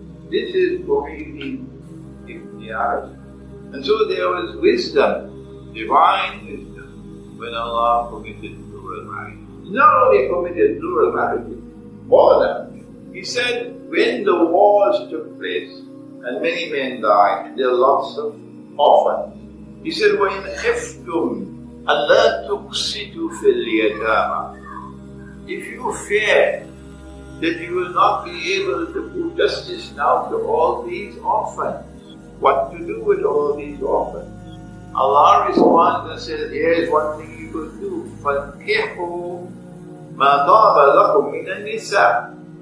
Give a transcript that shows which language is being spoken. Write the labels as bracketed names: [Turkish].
[English] This is Qur'an in the Arab. And so there was wisdom, divine wisdom, when Allah permitted plural marriage. Not only permitted plural marriage, more than that. He said, when the wars took place and many men died, there were lots of orphans. He said, [Arabic] وَإِنْ خِفْتُمْ أَلَّا تُقْسِتُوا فِي الْيَتَامَ. [English] If you fear that you will not be able to do justice now to all these orphans, what to do with all these orphans? Allah responds and says, here is one thing you could do. [Arabic] فَانْكِحُوا مَا ضَابَ لَكُمْ مِنَ النِّسَاءِ.